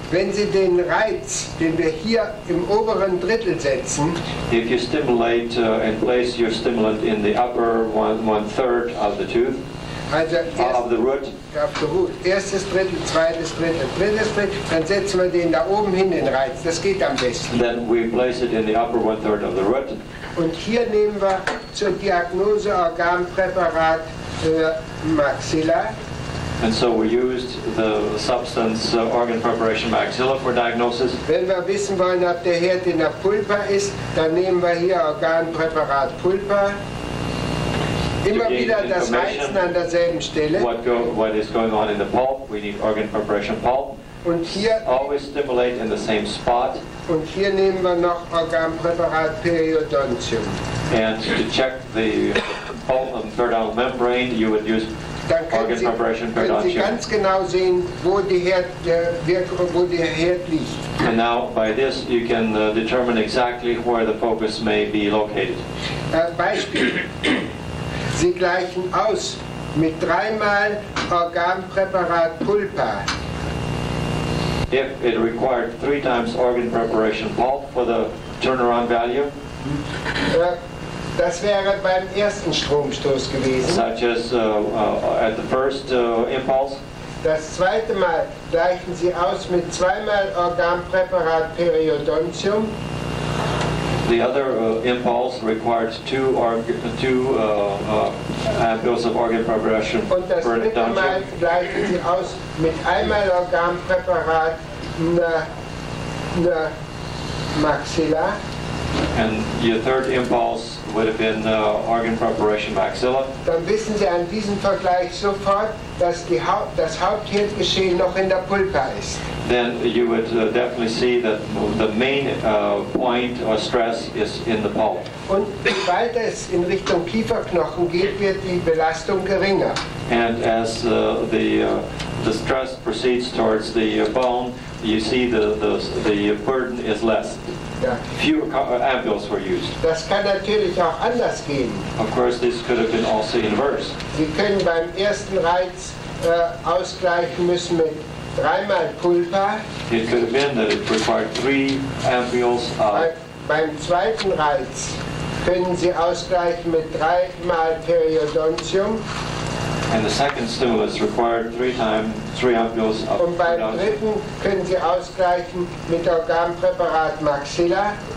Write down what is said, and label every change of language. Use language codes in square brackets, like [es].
[de] Wenn Sie den Reiz, den wir hier im oberen Drittel setzen, [en] if you stimulate and place your stimulant in the upper one-third of the tooth, [de] also erst, [en] of the root. [de] Absolut. Erstes Drittel, zweites Drittel, drittes Drittel. Dann setzen wir den da oben hin, den Reiz. Das geht am besten. [en] Then we place it in the upper one-third of the root. [de] Und hier nehmen wir zur Diagnose Organpräparat Maxilla. [en] And so we used the substance organ preparation Maxilla for diagnosis. [de] Wenn wir wissen wollen, ob der Herd in der Pulpa ist, dann nehmen wir hier Organpräparat Pulpa. Immer wieder das Reizen an derselben Stelle. [en] What is going on in the pulp? We need organ preparation pulp. [de] Und hier [en] always stimulate in the same spot. [de] Und hier nehmen wir noch Organpräparat Periodontium. [en] And to check the pulp and periodontal membrane, you would use organ preparation periodontium. [de] Dann können Sie ganz genau sehen, wo der Herd liegt. [en] And now by this you can determine exactly where the focus may be located. [de] Beispiel. Sie gleichen aus mit 3-mal Organpräparat Pulpa. [en] If it required 3 times organ preparation pulp for the turnaround value, [de] das wäre beim ersten Stromstoß gewesen. [en] Such as at the first impulse. [de] Das zweite Mal gleichen Sie aus mit 2-mal Organpräparat Periodontium. [en] The other impulse required two ampules of organ preparation for a dungeon. [de] Und das dritte Mal gleichen Sie aus mit 1-mal Organpräparat Maxilla. [en] And your third impulse would have been organ preparation Maxilla. [de] Dann wissen Sie an diesem Vergleich sofort, dass das Hauptherdgeschehen noch in der Pulpa ist. [en] Then you would definitely see that the main point or stress is in the pulp. [de] Und je weiter es in Richtung Kieferknochen geht, wird die Belastung geringer. [en] And as the stress proceeds towards the bone, you see the burden is less. [de] Ja. [en] Fewer ampules were used. [de] Das kann natürlich auch anders gehen. [en] Of course, this could have been also inverse. [de] Sie können beim ersten Reiz ausgleichen müssen mit I mad culpa. [en] It could have been that it required three ampules. [de] Beim zweiten Reiz können Sie ausgleichen mit dreimal Periodontium. [en] And the second stimulus required three ampules of [de] Und beim dritten können Sie ausgleichen mit Organpräparat Maxilla.